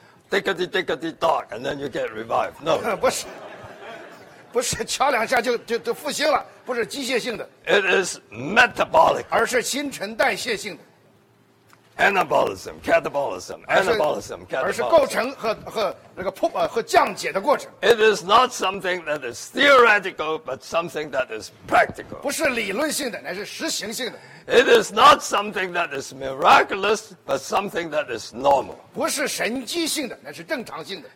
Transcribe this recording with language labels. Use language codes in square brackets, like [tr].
[en] Tickety tickety dog, and then you get revived. No. [zh] 不是。不是敲两下就复兴了，不是机械性的。 [en] It is metabolic， [zh] 而是新陈代谢性的。 [en] Anabolism, catabolism, anabolism, catabolism， [zh] 而是构成和那个和降解的过程。 [en] It is not something that is theoretical, but something that is practical， [zh] 不是理论性的，乃是实行性的。 [en] It is not something that is miraculous, but something that is normal. [zh] 不是神迹性的，那是正常性的。